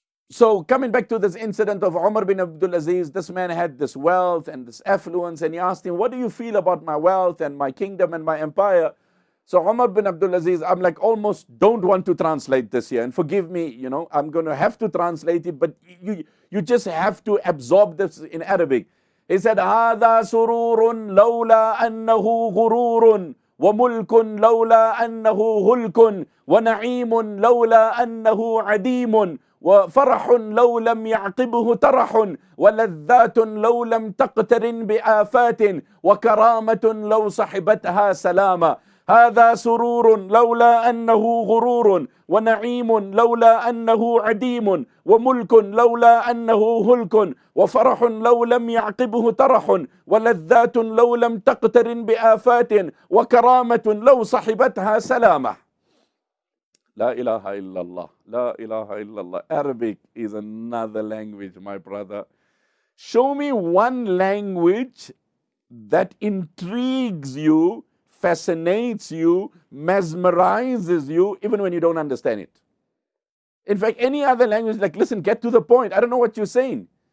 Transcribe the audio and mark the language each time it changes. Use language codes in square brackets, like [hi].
[en] So coming back to this incident of Umar bin Abdul Aziz, this man had this wealth and this affluence, and he asked him, what do you feel about my wealth and my kingdom and my empire? So Umar bin Abdul Aziz, I'm like almost don't want to translate this here, and forgive me, I'm going to have to translate it, but you just have to absorb this in Arabic. He said, [ar] هَذَا سُرُورٌ لَوْلَا أَنَّهُ غُرُورٌ وملك لولا أنه هلك ونعيم لولا أنه عديم وفرح لو لم يعقبه ترح ولذات لو لم تقترن بآفات وكرامة لو صحبتها سلامة هذا سرور لولا أنه غرور ونعيم لولا أنه عديم وملك لولا أنه هلك وفرح لو لم يعقبه ترح ولذات لو لم تقترن بآفات وكرامة لو صحبتها سلامة. لا إله إلا الله. لا إله إلا الله. [en] Arabic is another language, my brother. Show me one language that intrigues you, fascinates you, mesmerizes you, even when you don't understand it. In fact, any other language, like, listen, get to the point. I don't know what you're saying.